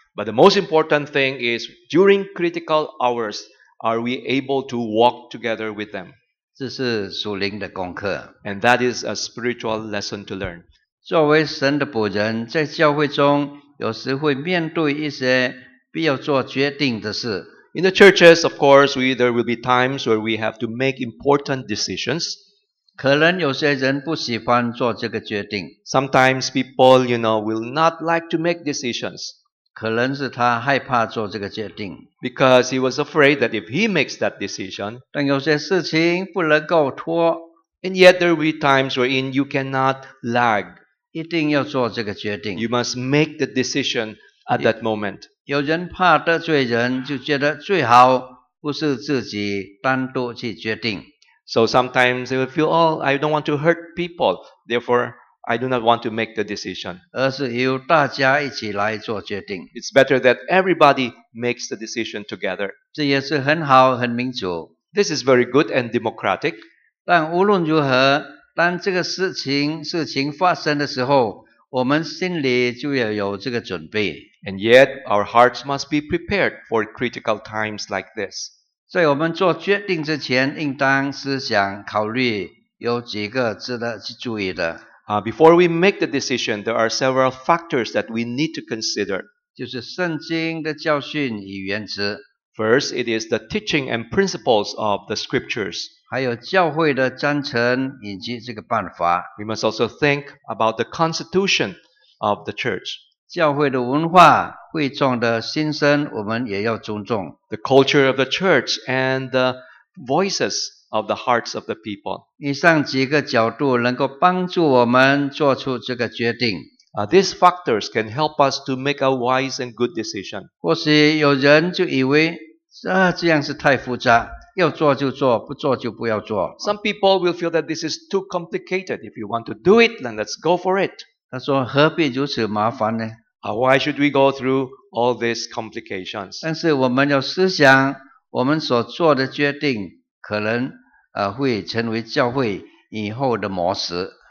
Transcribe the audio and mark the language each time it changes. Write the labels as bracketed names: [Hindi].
[English] But the most important thing is during critical hours, are we able to walk together with them? [Chinese] 这是属灵的功课 [English] And that is a spiritual lesson to learn. [Chinese] 作为神的仆人在教会中有时会面对一些必要做决定的事 [English] In the churches, of course, there will be times where we have to make important decisions. [Chinese] 可能有些人不喜欢做这个决定 [English] Sometimes people, you know, will not like to make decisions. [Chinese] 可能是他害怕做这个决定 [English] Because he was afraid that if he makes that decision, [Chinese] 但有些事情不能够拖 [English] and yet there will be times wherein you cannot lag. [Chinese] 一定要做这个决定 [English] You must make the decision at that moment. [Chinese] 有人怕得罪人就觉得最好不是自己单独去决定 [English] So sometimes they will feel, oh, I don't want to hurt people. Therefore, I do not want to make the decision. [Chinese] 而是由大家一起来做决定 [English] It's better that everybody makes the decision together. [Chinese] 这也是很好很民主 [English] This is very good and democratic. [Chinese] 但无论如何当这个事情发生的时候我们心里就要有这个准备 [English] And yet our hearts must be prepared for critical times like this. [Chinese] 在我们做决定之前应当思想考虑有几个值得去注意的 [English] Before we make the decision, there are several factors that we need to consider. [Chinese] 就是圣经的教训与原则。 [English] First, it is the teaching and principles of the scriptures. [Chinese] 还有教会的章程以及这个办法。 [English] We must also think about the constitution of the church. [Chinese] 教会的文化、会众的心声，我们也要尊重。 [English] The culture of the church and the voices. Of the hearts of the people. [Chinese] 以上几个角度能够帮助我们做出这个决定。 [English] These factors can help us to make a wise and good decision. [Chinese] 或许有人就以为这样是太复杂，要做就做，不做就不要做。 [English] Some people will feel that this is too complicated. If you want to do it, then let's go for it. [Chinese] 他说何必如此麻烦呢？ [English] Why should we go through all these complications? [Chinese] 但是我们要思想，我们所做的决定可能会成为教会以后的模式。